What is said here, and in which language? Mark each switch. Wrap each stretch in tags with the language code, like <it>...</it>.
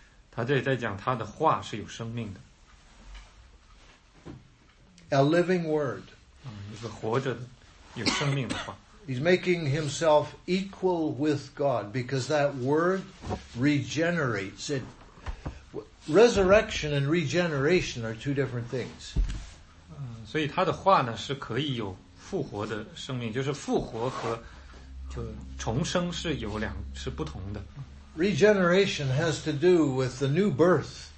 <zh>他这里在讲他的话是有生命的。</zh> <en>A living word.</en> <zh>一个活着的，有生命的话。</zh> <en>He's making himself equal with God because that word regenerates it. Resurrection and regeneration are two different things.</en> <zh>所以他的话呢，是可以有复活的生命，就是复活和就重生是有两是不同的。</zh> <en>Regeneration has to do with the new birth.</en>